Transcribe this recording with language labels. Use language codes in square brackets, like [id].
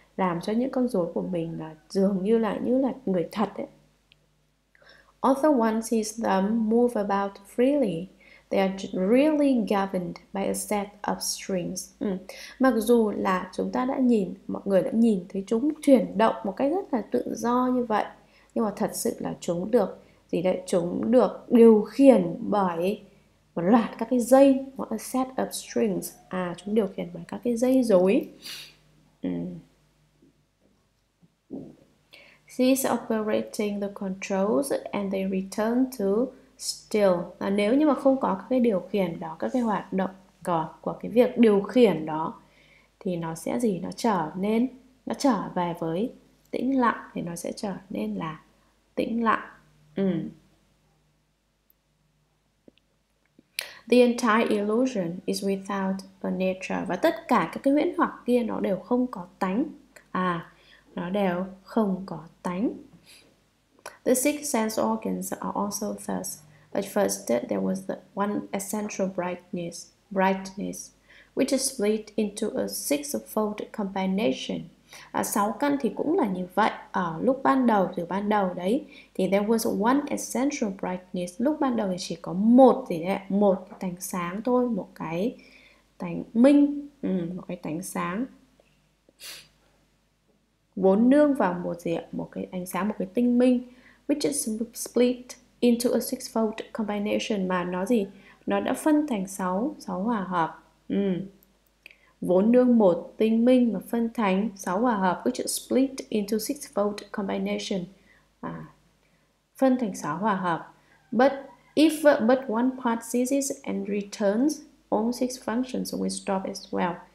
[vi] làm cho những con rối của mình là dường như là người thật ấy. [en] Although one sees them move about freely, they are really governed by a set of strings. [vi] Mặc dù là chúng ta đã nhìn, mọi người đã nhìn thấy chúng chuyển động một cách rất là tự do như vậy, nhưng mà thật sự là chúng được gì đấy? Chúng được điều khiển bởi một loạt các cái dây, một [en] set of strings. [vi] À, chúng điều khiển bởi các cái dây rối. [en] Cease operating the controls and they return to still. [vi] Là nếu như mà không có các cái điều khiển đó, các cái hoạt động của cái việc điều khiển đó, thì nó sẽ gì? Nó trở về với tĩnh lặng, thì nó sẽ trở nên là tĩnh lặng. [en] The entire illusion is without a nature. [vi] Và tất cả các cái huyễn hoặc kia nó đều không có tánh. À, nó đều không có tánh. [en] The six sense organs are also thus. At first, there was the one essential brightness, which is split into a six-fold combination. [vi] À, sáu căn thì cũng là như vậy. Ở lúc ban đầu, từ ban đầu đấy, thì [en] there was one essential brightness. [vi] Lúc ban đầu thì chỉ có một gì đấy, một tánh sáng thôi, một cái tánh minh, một cái tánh sáng vốn nương vào một gì ạ, một cái ánh sáng, một cái tinh minh, [en] which is split into a six-fold combination, [vi] mà nó gì, nó đã phân thành sáu, sáu hòa hợp. Vốn nương một tinh minh mà phân thành sáu hòa hợp, [en] which is split into six-fold combination. [vi] À, phân thành sáu hòa hợp. [en] But one part ceases and returns all six functions will stop as well.